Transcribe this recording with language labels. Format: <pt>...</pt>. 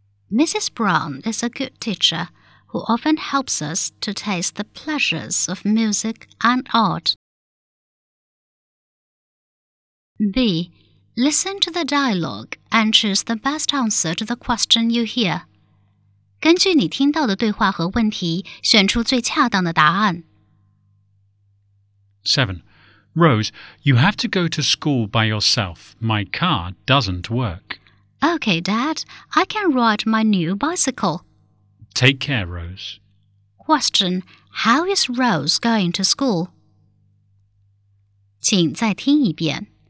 <en>Mrs. Brown is a good teacher. Who often helps us to taste the pleasures of music and art. B. Listen to the dialogue and choose the best answer to the question you hear.</en> <zh>根据你听到的对话和问题，选出最恰当的答案。</zh> <en>7. Rose, you have to go to school by yourself. My car doesn't work. Okay, Dad, I can ride my new bicycle. Take care, Rose. Question, how is Rose going to school?</en> <zh>请再听一遍。</zh>